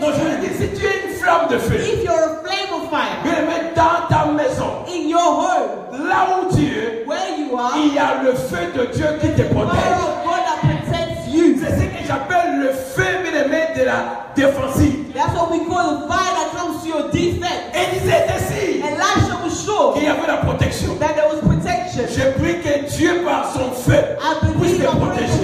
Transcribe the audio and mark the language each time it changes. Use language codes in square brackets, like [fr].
[fr] donc [en] you. [fr] Je dis, si tu es une flamme de feu, [en] if you're a flame of fire, [fr] mais même dans ta maison, [en] in your home, [fr] là où tu es, [en] where you are, [fr] il y a le feu de Dieu qui te protège. [en] Fire of God that protects you. [fr] C'est ce que j'appelle le feu, mais les mains de la défensive. [en] That's what we call the fire that comes to your defense. [fr] Et disait ainsi. [en] Elisha was sure [fr] qu'il y avait la protection. [en] That there was protection. [fr] Je prie que Dieu par son feu puisse te protéger.